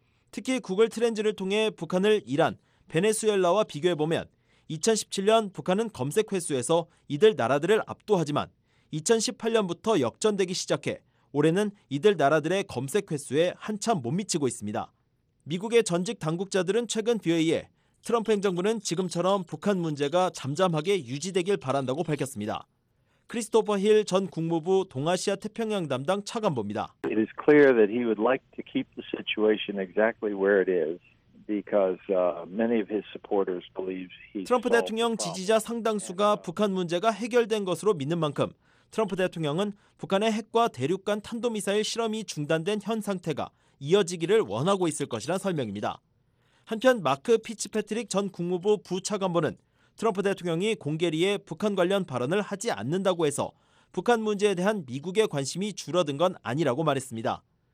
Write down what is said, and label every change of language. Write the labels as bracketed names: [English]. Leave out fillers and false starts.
[Korean] 특히 구글 트렌즈를 통해 북한을 이란, 베네수엘라와 비교해보면 2017년 북한은 검색 횟수에서 이들 나라들을 압도하지만 2018년부터 역전되기 시작해 올해는 이들 나라들의 검색 횟수에 한참 못 미치고 있습니다. 미국의 전직 당국자들은 최근 VOA에 트럼프 행정부는 지금처럼 북한 문제가 잠잠하게 유지되길 바란다고 밝혔습니다. 크리스토퍼 힐 전 국무부 동아시아 태평양 담당 차관보입니다. [English] It is clear that he would like to keep the situation exactly where it is because many of his supporters believe he [Korean] 트럼프 대통령 지지자 상당수가 북한 문제가 해결된 것으로 믿는 만큼 트럼프 대통령은 북한의 핵과 대륙간 탄도미사일 실험이 중단된 현 상태가 이어지기를 원하고 있을 것이란 설명입니다. 한편 마크 피츠패트릭 전 국무부 부차관보는 트럼프 대통령이 공개리에 북한 관련 발언을 하지 않는다고 해서 북한 문제에 대한 미국의 관심이 줄어든 건 아니라고 말했습니다.